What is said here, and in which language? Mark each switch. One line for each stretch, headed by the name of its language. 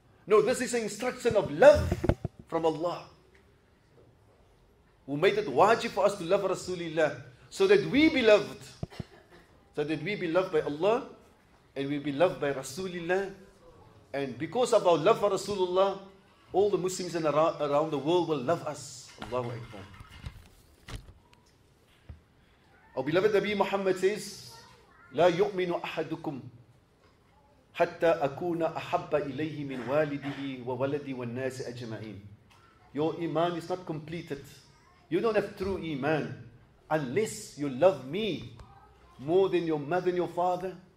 English: No, this is an instruction of love from Allah, who made it wajib for us to love Rasulullah, so that we be loved by Allah, and we be loved by Rasulullah. And because of our love for Rasulullah, all the Muslims around the world will love us. Allahu Akbar. Our beloved Nabi Muhammad says,
Arabic: لا يؤمن أحدكم حتى أكون أحب إليه من والده وولدي والناس أجمعين.
English: Your iman is not completed. You don't have true iman unless you love me more than your mother and your father.